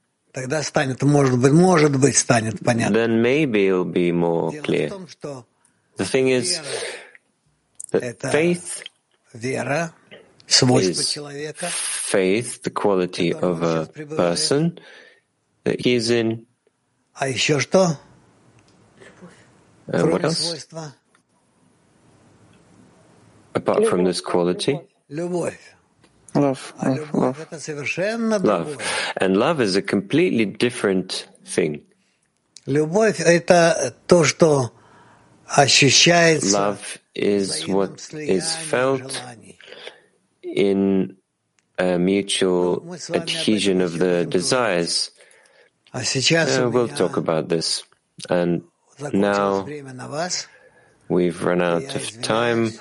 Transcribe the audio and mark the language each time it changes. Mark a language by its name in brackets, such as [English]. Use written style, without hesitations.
[Russian] Тогда станет, может быть, станет понятно. [English] Then maybe it'll be more clear. The thing is, that faith [Russian] вера, [English] is faith, the quality of a person that he is in. [Russian] А еще что? [English] What else? Apart from this quality? Love. And love is a completely different thing. [Russian] Любовь — это то, что ощущается. [English] Love is what is felt in a mutual adhesion of the desires. We'll talk about this. And now we've run out of time.